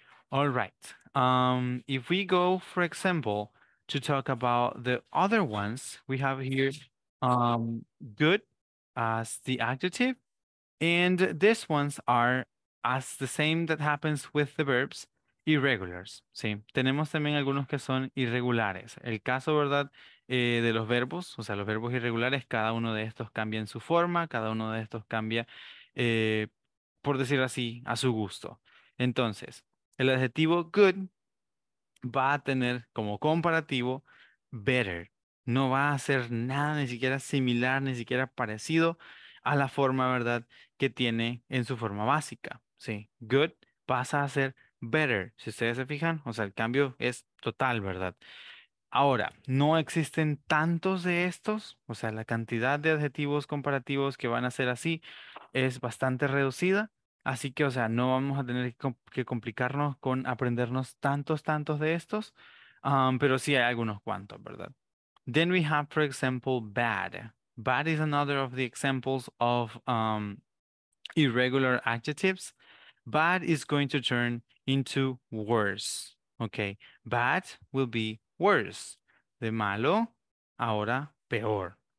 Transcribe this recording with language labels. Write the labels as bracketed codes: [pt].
[en] All right, if we go, for example, to talk about the other ones, we have here good as the adjective. And these ones are as the same that happens with the verbs, irregulars. [es] Sí, tenemos también algunos que son irregulares. El caso, ¿verdad?, de los verbos, o sea, los verbos irregulares, cada uno de estos cambia en su forma, cada uno de estos cambia, por decirlo así, a su gusto. Entonces, el adjetivo good va a tener como comparativo better. No va a ser nada, ni siquiera similar, ni siquiera parecido a la forma, ¿verdad?, que tiene en su forma básica, ¿sí? Good pasa a ser better, si ustedes se fijan, o sea, el cambio es total, ¿verdad? Ahora, no existen tantos de estos, o sea, la cantidad de adjetivos comparativos que van a ser así es bastante reducida, así que, o sea, no vamos a tener que complicarnos con aprendernos tantos de estos, pero sí hay algunos cuantos, ¿verdad? [en] Then we have, for example, bad. Bad is another of the examples of irregular adjectives. Bad is going to turn into worse. Okay, bad will be worse. [es] De malo, ahora peor.